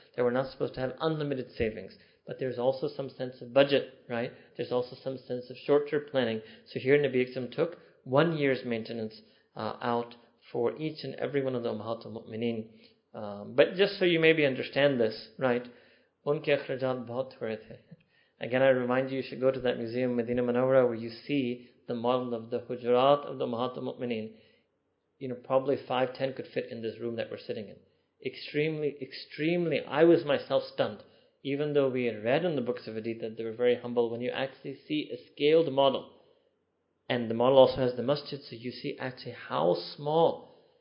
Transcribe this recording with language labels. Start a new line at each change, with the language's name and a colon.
English: That we're not supposed to have unlimited savings. But there's also some sense of budget, right? There's also some sense of short-term planning. So here Nabi Iksam took 1 year's maintenance out for each and every one of the Ummahat al-Mu'mineen. But just so you maybe understand this, right?
Urdu: انکے اخراجات بہت ہوا رہے تھے۔
English: Again, I remind you, you should go to that museum, Medina Manawara, where you see the model of the hujurat of the Ummahat al-Mu'mineen. You know, probably 5-10 could fit in this room that we're sitting in. Extremely, extremely, I was myself stunned. Even though we had read in the books of Hadith that they were very humble, when you actually see a scaled model, and the model also has the masjid, so you see actually how small.